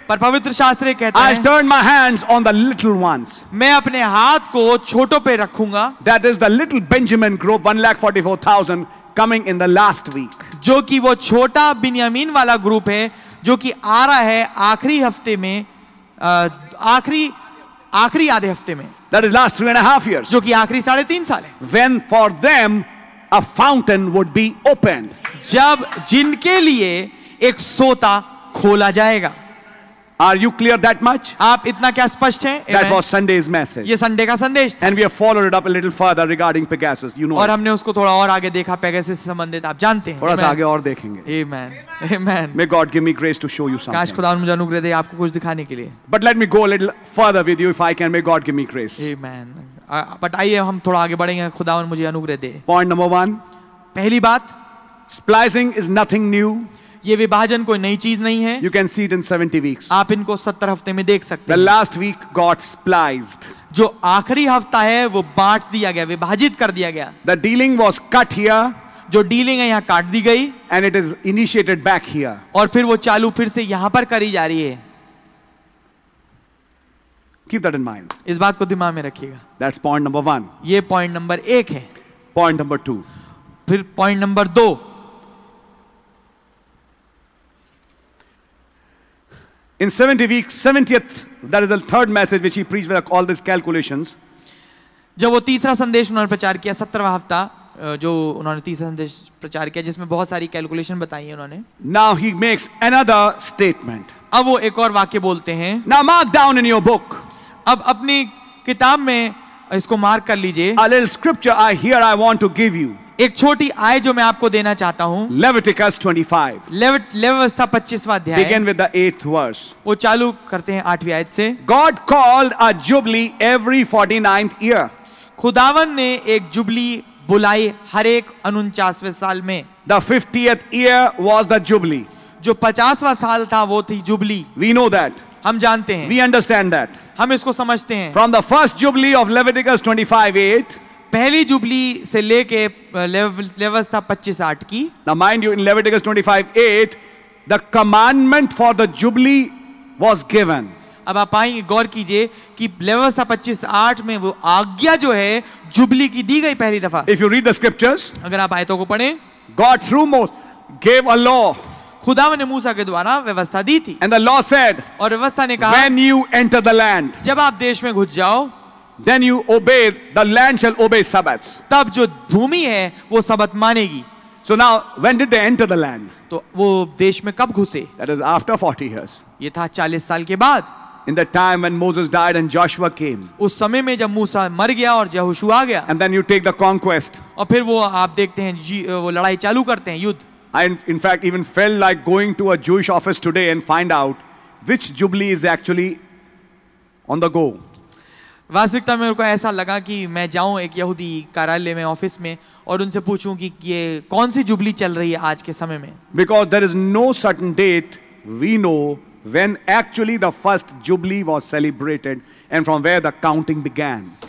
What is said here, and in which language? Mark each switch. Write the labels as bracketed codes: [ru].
[hi] पर पवित्र शास्त्र ये कहता है, [en] I turn my hands on the little ones. [hi] मैं अपने हाथ को छोटों पे रखूंगा. [en] That is the little Benjamin group, 144,000 coming in the last week. [hi] जो कि वो छोटा बिन्यामीन वाला ग्रुप है, जो कि आ रहा है आखिरी हफ्ते में, आखिरी आधे हफ्ते में. [en] That is last 3.5 years. [hi] जो कि आखिरी 3.5 साल है. [en] When for them a fountain would be opened. [hi] जब जिनके लिए एक सोता खोला जाएगा. [en] Are you clear that much? [hi] आप इतना क्या स्पष्ट हैं? [en] That was Sunday's message. [hi] ये संडे का संदेश था. [en] And we have followed it up a little further regarding Pegasus. You know. [hi] और हमने उसको थोड़ा और आगे देखा Pegasus से संबंधित. आप जानते हैं. थोड़ा सा आगे और देखेंगे. [en] Amen. Amen. May God give me grace to show you something. [hi] काश खुदा मुझे अनुग्रह दे आपको कुछ दिखाने के लिए. [en] But let me go a little further with you if I can. May God give me grace. Amen. [hi] But आइए हम थोड़ा आगे बढ़ेंगे. खुदा मुझे अनुग्रह दे. [en] Point number one. [hi] पहली बात. [en] Splicing is nothing new. [hi] ये विभाजन कोई नई चीज नहीं है. [en] You can see it in 70 weeks. [hi] आप इनको 70 हफ्ते में देख सकते हैं. [en] The last week got spliced. [hi] जो आखिरी हफ्ता है वो बांट दिया गया, विभाजित कर दिया गया. [en] The dealing was cut here. [hi] जो डीलिंग है यहाँ काट दी गई. [en] And it is initiated back here. [hi] और फिर वो चालू फिर से यहाँ पर करी जा रही है. [en] Keep that in mind. [hi] इस बात को दिमाग में रखिएगा. [en] That's point number one. [hi] ये पॉइंट नंबर एक है. [en] Point number two. [hi] फिर पॉइंट नंबर दो. [en] In 70 weeks, 70th, that is the third message which he preached with all these calculations. [hi] जब वो तीसरा संदेश उन्होंने प्रचार किया 70वां हफ्ता, जो उन्होंने तीसरा संदेश प्रचार किया जिसमें बहुत सारी कैलकुलेशन बताई है उन्होंने. [en] Now he makes another statement. [hi] अब वो एक और वाक्य बोलते हैं. [en] Now mark down in your book. [hi] अब अपनी किताब में इसको मार्क कर लीजिए. [en] A little scripture I want to give you. [hi] एक छोटी आय जो मैं आपको देना चाहता हूं. [en] Leviticus 25. [hi] लेविता 25वां अध्याय. [en] Begin with the 8th verse. [hi] वो चालू करते हैं 8वीं आयत से. [en] God called a jubilee every 49th year. [hi] खुदावन ने एक जुबली बुलाई हर एक 49वें साल में. [en] The 50th year was the jubilee. [hi] जो 50वां साल था वो थी जुबली. [en] We know that. [hi] हम जानते हैं. [en] We understand that. [hi] हम इसको समझते हैं. [en] From the first jubilee of Leviticus 25:8. [hi] पहली जुबली से लेके लेवस्था 25:8 की. [en] Now mind you, in Leviticus 25:8, the commandment for the jubilee was given. [hi] अब आप आएंगे गौर कीजिए कि लेवस्था 25:8 में वो आज्ञा जो है जुबली की दी गई पहली दफा. [en] If you read the scriptures, [hi] अगर आप आयतों को पढ़ें, [en] God through Moses gave a law. [hi] खुदा ने मूसा के द्वारा व्यवस्था दी थी. [en] And the law said, [hi] और व्यवस्था ने कहा, [en] when you enter the land, [hi] जब आप देश में घुस जाओ, [en] then you obey, the land shall obey Sabbaths. [hi] तब जो भूमि है वो सबत मानेगी. [en] So now, when did they enter the land? [hi] तो वो देश में कब घुसे? [en] That is after 40 years. [hi] ये था 40 साल के बाद. [en] In the time when Moses died and Joshua came. [hi] उस समय में जब मूसा मर गया और यहोशू आ गया. [en] And then you take the conquest. [hi] और फिर वो आप देखते हैं वो लड़ाई चालू करते हैं युद्ध. [en] I in fact even felt like going to a Jewish office today and find out which jubilee is actually on the go. [hi] वास्तविकता में उनको ऐसा लगा कि मैं जाऊं एक यहूदी कार्यालय में ऑफिस में और उनसे पूछूं कि ये कौन सी जुबली चल रही है आज के समय में. [en] Because there is no certain date we know when actually the first jubilee was celebrated and from where the counting began.